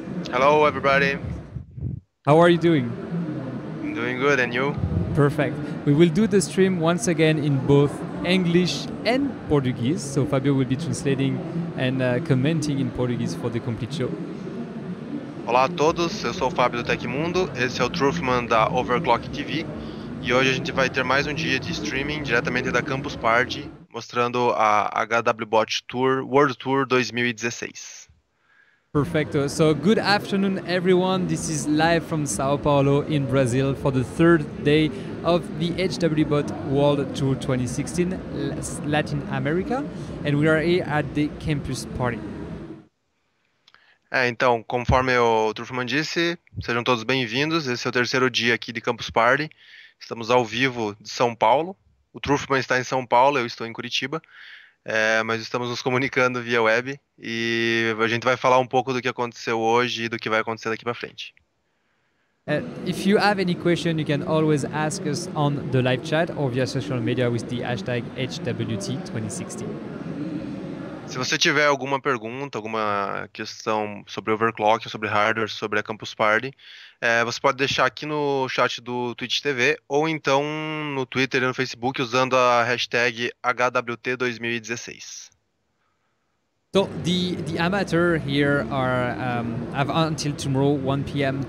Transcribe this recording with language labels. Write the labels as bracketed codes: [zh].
[en] Hello everybody. How are you doing? I'm doing good, and you? Perfect. We will do the stream once again in both English and Portuguese. So Fabio will be translating and commenting in Portuguese for the complete show. [pt] Olá a todos, eu sou o Fábio do Techmundo, esse é o Truffman da Overclock TV e hoje a gente vai ter mais um dia de streaming diretamente da Campus Party, mostrando a HWBOT Tour, World Tour 2016. [en] Perfecto, so good afternoon everyone, this is live from Sao Paulo in Brazil for the third day of the HWBOT World Tour 2016 Latin America and we are here at the Campus Party. [pt] É, então, conforme o Truffman disse, sejam todos bem-vindos. Esse é o terceiro dia aqui de Campus Party. Estamos ao vivo de São Paulo. O Truffman está em São Paulo, eu estou em Curitiba. É, mas estamos nos comunicando via web. E a gente vai falar um pouco do que aconteceu hoje e do que vai acontecer daqui para frente. [en] If you have any question, you can always ask us on the live chat or via social media with the hashtag HWT2016. [pt] Se você tiver alguma pergunta, alguma questão sobre overclock, sobre hardware, sobre a Campus Party, você pode deixar aqui no chat do Twitch TV ou então no Twitter e no Facebook usando a hashtag HWT2016. [en] So the amateur here are have until tomorrow 1 p.m.